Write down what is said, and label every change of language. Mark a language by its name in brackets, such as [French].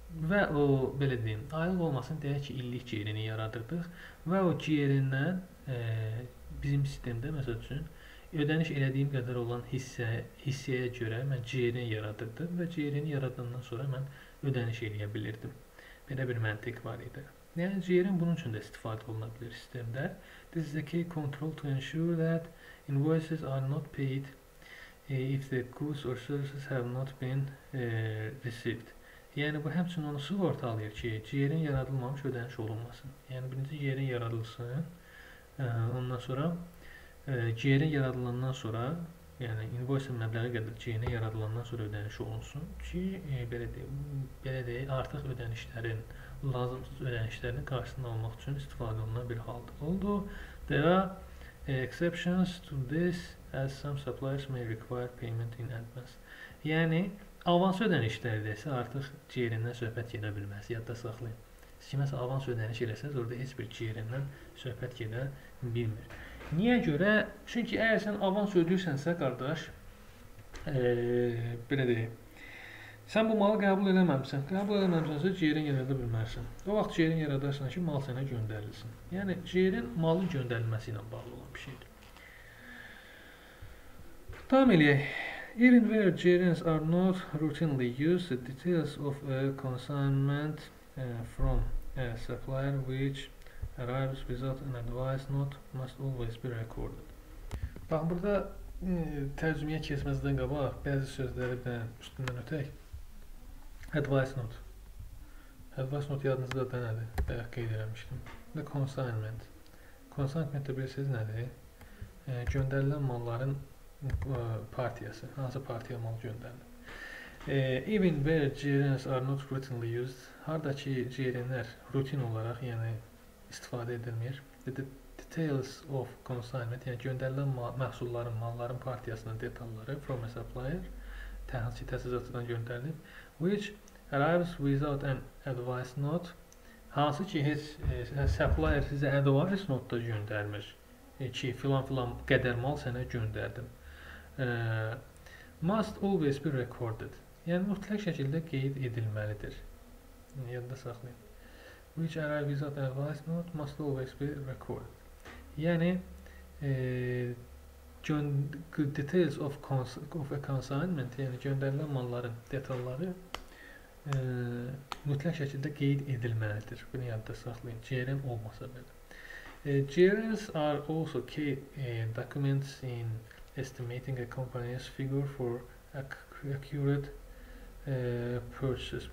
[Azerbaijani] Və o, belə deyim, aylıq olmasın, deyək ki, illik GRN-i yaradırdıq və o GRN-dən bizim sistemdə, məsəl üçün, ödəniş elədiyim qədər olan hissəyə görə mən GRN yaradırdım və GRN-i yaradığından sonra mən ödəniş eləyə bilirdim. Belə bir məntiq var idi. Yəni, GRN bunun üçün də istifadə oluna bilir sistemdə. [English] This is a key control to ensure that invoices are not paid if the goods or services have not been received. [Azerbaijani] Yəni, bu həmçinin onu sığortalayır ki, GRN yaradılmamış ödəniş olunmasın. Yəni, birinci GRN yaradılsın, ondan sonra GRN yaradılandan sonra, yəni invoice məbləği qədər GRN yaradılandan sonra ödəniş olunsun ki, belə deyək, artıq ödənişlərin, lazımsız ödənişlərin qarşısını almaq üçün istifadə olunan bir haldır. Oldu. [English] There are exceptions to this as some suppliers may require payment in advance. [Azerbaijani] Yəni, avans ödənişləri isə artıq GRN-dən söhbət gedə bilməz. Yadda saxlayın. Siz kiməsə avans ödəniş eləsəniz, orada heç bir GRN-dən söhbət gedə bilmir. Niyə görə? Çünki əgər sən avans ödəyirsənsə, qardaş, belə deyim, sən bu malı qəbul eləməmsən. Qəbul eləməmsənsə, GRN yarada bilmərsən. O vaxt GRN yaradarsan ki, mal sənə göndərilsin. Yəni, GRN malın göndərilməsi ilə bağlı olan bir şeydir. Tam eləyək. [English] Even where GRNs are not routinely used, the details of a consignment from a supplier which arrives without an advice note must always be recorded. [Azerbaijani] Bax, burada tərcüməyə keçməzdən qabaq bəzi sözləri də üstündən ötək. Advice note. Advice note yadınızda da nədir? Bayaq qeyd eləmişdim. The consignment. Consignment də bilirsiniz nədir? Göndərilən malların partiyası, hansı partiya mal göndərilir. [English] Even where GRNs are not routinely used, [Azerbaijani] harada ki GRN-lər rutin olaraq, yəni istifadə edilmir, [English] the details of consignment, [Azerbaijani] yəni göndərilən məhsulların, malların partiyasının detalları [English] from a supplier, [Azerbaijani] hansı təsizatçıdan göndərilib, [English] which arrives without an advice note, [Azerbaijani] hansı ki heç supplier sizə advice note da göndərmir ki, filan filan qədər mal sənə göndərdim. [English] Must always be recorded. [Azerbaijani] Yəni, mütləq şəkildə qeyd edilməlidir. Yadda saxlayın. [English] Which arrive without an advice note must always be recorded. [Azerbaijani] Yəni, [English] details of, of a consignment, [Azerbaijani] yəni göndərilən malların detalları mütləq şəkildə qeyd edilməlidir. Bunu yadda saxlayın. GRN olmasa belə. [English] GRNs are also key documents in estimating a company's figure for accurate purchases.